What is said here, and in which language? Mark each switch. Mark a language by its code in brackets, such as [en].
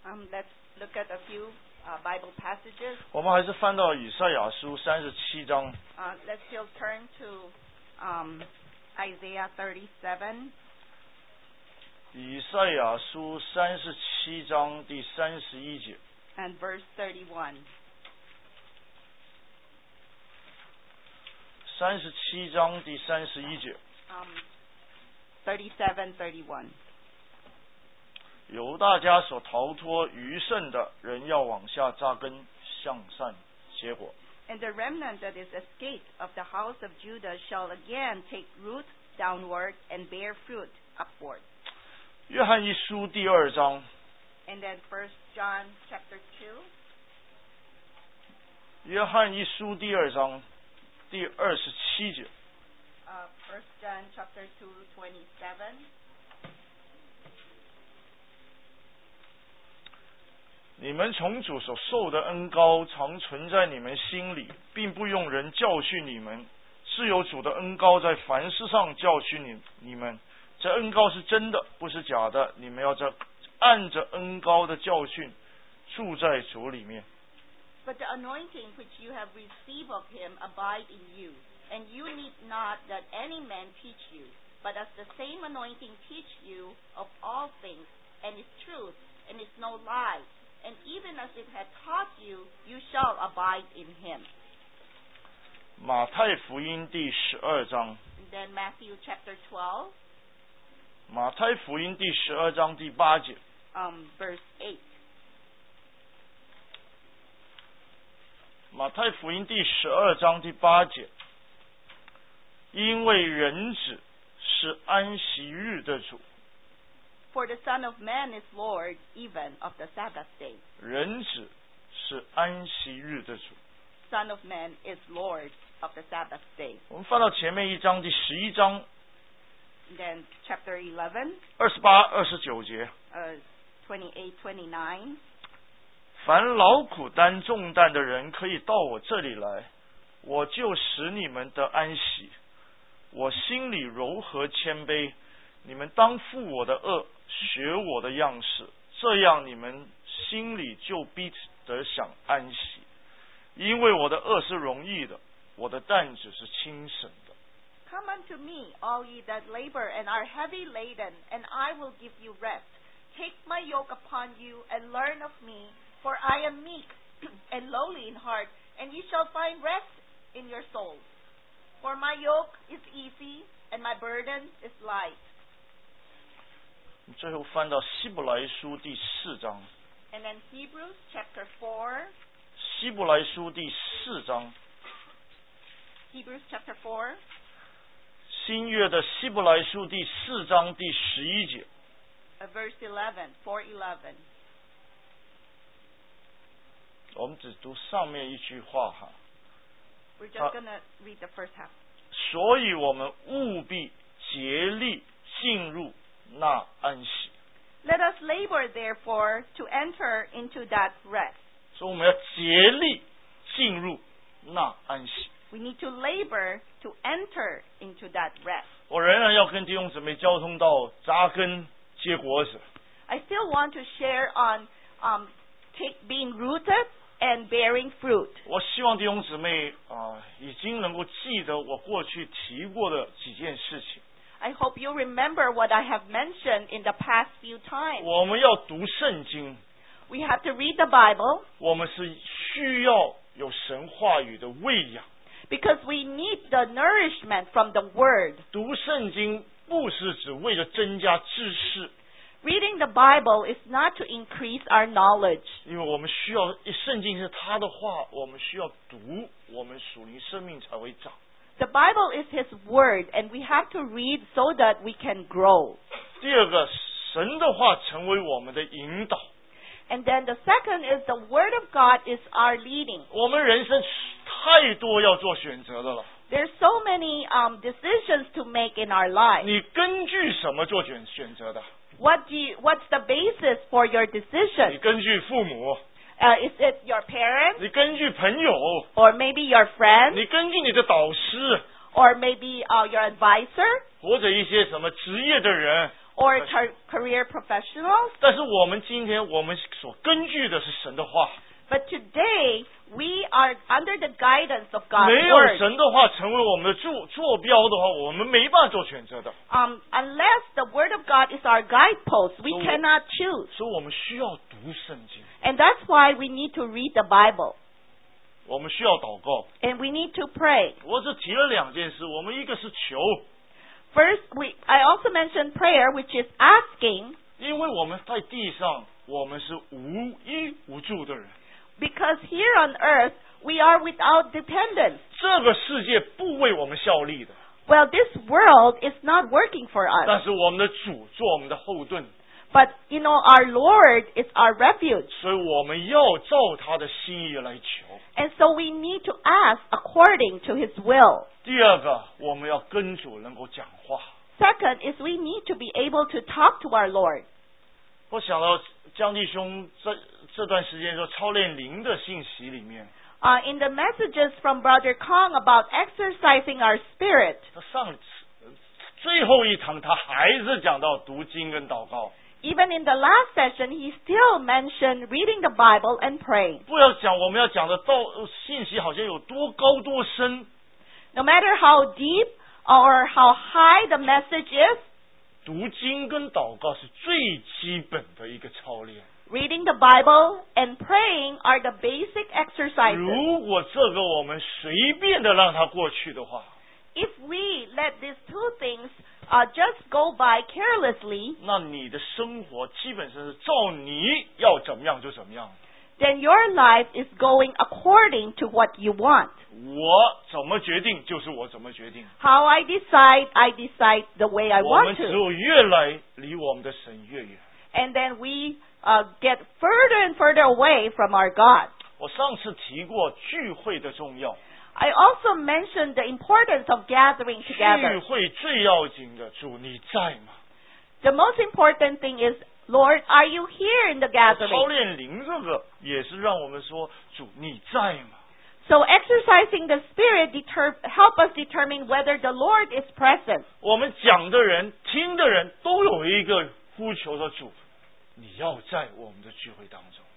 [en] Let's look at a few Bible passages. [zh] 我们还是翻到以赛亚书三十七章。 [en] Let's still turn to Isaiah 37. [zh] 以赛亚书三十七章第三十一节。 [en] And verse 31. [zh] 三十七章第三十一节。 37:31。由大家所逃脱余剩的人要往下扎根，向善结果。 [en] And the remnant that is escaped of the house of Judah shall again take root downward and bear fruit upward. [zh] 约翰一书第二章。 [en] And then 1 John 2. [zh] 约翰一书第二章。第二十七节。 [en] 1 John 2:27。 [zh] 你们从主所受的恩膏常存在你们心里，并不用人教训你们，是有主的恩膏在凡事上教训你们。这恩膏是真的，不是假的。你们要在按着恩膏的教训，住在主里面。 [en] But the anointing which you have received of him abide in you, and you need not that any man teach you, but as the same anointing teach you of all things, and is truth, and is no lie, and even as it had taught you, you shall abide in him. [zh] 马太福音第十二章。 [en] Then Matthew chapter 12. [zh] 马太福音第十二章第八节。 [en] Verse 8. [zh] 马太福音第十二章第八节，因为人子是安息日的主。 [en] For the Son of Man is Lord even of the Sabbath day. [zh] 人子是安息日的主。 [en] Son of Man is Lord of the Sabbath day. [zh] 我们翻到前面一章第十一章。 [en] Then chapter 11. [zh] 二十八、二十九节。 [en] 28-29. [zh] 凡劳苦担重担的人可以到我这里来，我就使你们得安息。我心里柔和谦卑，你们当负我的轭，学我的样式，这样你们心里就必得享安息。因为我的轭是容易的，我的担子是轻省的。 [en] Come unto me, all ye that labor and are heavy laden, and I will give you rest. Take my yoke upon you and learn of meFor I am meek and lowly in heart, and ye shall find rest in your souls. For my yoke is easy, and my burden is light. [zh] 最后翻到希伯来书第四章。 [en] And then Hebrews chapter 4. [zh] 希伯来书第四章。 [en] Hebrews chapter 4. [zh] 新约的希伯来书第四章第十一节。 [en] 4:11. [zh] 我们只读上面一句话哈。 [en] We're just gonna read the first half. [zh] 所以我们务必竭力进入那安息。 [en] Let us labor therefore to enter into that rest. [zh] 所以我们要竭力进入那安息。 [en] We need to labor to enter into that rest. [zh] 我仍然要跟弟兄姊妹交通到扎根结果子。 [en] I still want to share on being rooted and bearing fruit. [zh] 我希望弟兄姊妹已经能够记得我过去提过的几件事情。 [en] I hope you remember what I have mentioned in the past few times. [zh] 我们要读圣经。 [en] We have to read the Bible. [zh] 我们是需要有神话语的喂养。 [en] Because we need the nourishment from the word. [zh] 读圣经不是只为了增加知识。 [en] Reading the Bible is not to increase our knowledge. [zh] 因为我们需要，圣经是他的话，我们需要读，我们属灵生命才会长。 [en] The Bible is his word, and we have to read so that we can grow. [zh] 第二个，神的话成为我们的引导。 [en] And then the second is the word of God is our leading. [zh] 我们人生太多要做选择的了。 [en] There's so many decisions to make in our life. [zh] 你根据什么做选择的？ [en] What's the basis for your decision? [zh] 你根据父母。 [en] Is it your parents? [zh] 你根据朋友。 [en] Or maybe your friends? [zh] 你根据你的导师。 [en] Or maybe your advisor? [zh] 或者一些什么职业的人。 [en] or career professionals. [zh] 但是我们今天我们所根据的是神的话。 [en] But today we are under the guidance of God's word. [zh] 没有神的话成为我们的坐标的话，我们没办法做选择的。 [en] Unless the word of God is our guidepost, we cannot choose. [zh] 所以我们需要读圣经。 [en] And that's why we need to read the Bible. [zh] 我们需要祷告。 [en] And we need to pray. [zh] 我只提了两件事，我们一个是求。 [en] First, I also mentioned prayer, which is asking. [zh] 因为我们在地上，我们是无依无助的人。 [en] Because here on earth, we are without dependence. [zh] 这个世界不为我们效力的。 [en] Well, this world is not working for us. [zh] 但是我们的主做我们的后盾。 [en] But, you know, our Lord is our refuge. [zh] 所以我们要照他的心意来求。 [en] And so we need to ask according to his will. [zh] 第二个，我们要跟主能够讲话。 [en] Second is we need to be able to talk to our Lord. [zh] 我想到江弟兄这段时间说操练灵的信息里面。 [en] In the messages from Brother Kong about exercising our spirit. [zh] 上最后一堂他还是讲到读经跟祷告。 [en] Even in the last session, he still mentioned reading the Bible and praying. [zh] 不要讲我们要讲的道信息好像有多高多深。 [en] No matter how deep or how high the message is, [zh] 读经跟祷告是最基本的一个操练。 [en] Reading the Bible and praying are the basic exercises. [zh] 如果这个我们随便的让它过去的话， [en] If we let these two things just go by carelessly, [zh] 那你的生活基本上是照你要怎么样就怎么样。 [en] Then your life is going according to what you want. [zh] 我怎么决定就是我怎么决定。 [en] How I decide the way I want to. [zh] 我们只有越来离我们的神越远。 [en] And then we get further and further away from our God. [zh] 我上次提过聚会的重要。 [en] I also mentioned the importance of gathering together. [zh] 聚会最要紧的，主你在吗？ [en] The most important thing is, Lord, are you here in the gathering? [zh] 操练灵这个也是让我们说，主你在吗？ [en] So exercising the spirit help us determine whether the Lord is present. [zh] 我们讲的人，听的人都有一个呼求的主，你要在我们的聚会当中。